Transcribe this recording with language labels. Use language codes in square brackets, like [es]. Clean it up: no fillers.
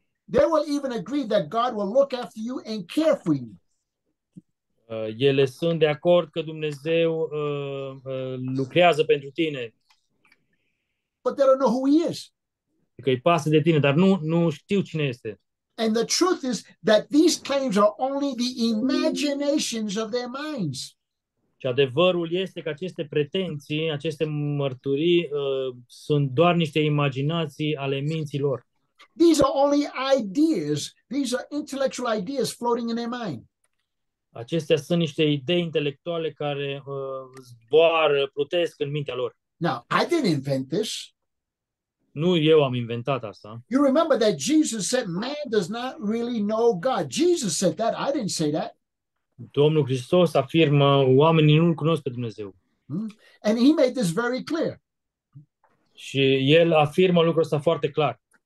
[en] They will even agree that God will look after you and care for you. [ro] Ele sunt de acord că Dumnezeu lucrează pentru tine. [en] But they don't know who he is. [ro] Că îi pasă de tine, dar nu știu cine este. [en] And the truth is that these claims are only the imaginations of their minds. [ro] Și adevărul este că aceste pretenții, aceste mărturii sunt doar niște imaginații ale minții lor. [en] These are only ideas. These are intellectual ideas floating in their mind. [ro] Acestea sunt niște idei intelectuale care zboară, plutesc în mintea lor. [en] Now, I didn't invent this. [ro] Nu eu am inventat asta. [en] You remember that Jesus said man does not really know God. Jesus said that. I didn't say that. [ro] Domnul Hristos afirmă oamenii nu-L cunosc pe Dumnezeu. [en] And he made this very clear. [ro] Și el afirmă lucrul ăsta foarte clar.